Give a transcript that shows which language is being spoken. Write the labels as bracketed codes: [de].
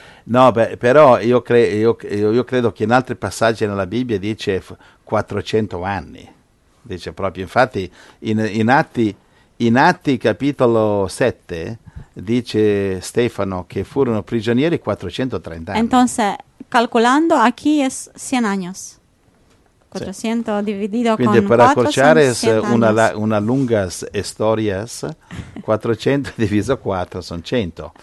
[it] No, beh, però io credo che in altri passaggi nella Bibbia dice 400 anni. Dice proprio, infatti in Atti capitolo 7 dice Stefano che furono prigionieri 430 anni. [es] Entonces, [it] calcolando, [es] aquí es 100 años. 400 sí. Dividido [it] quindi con 4 sono 100 [es] años. [it] Una lunga storia, 400 diviso 4 sono 100.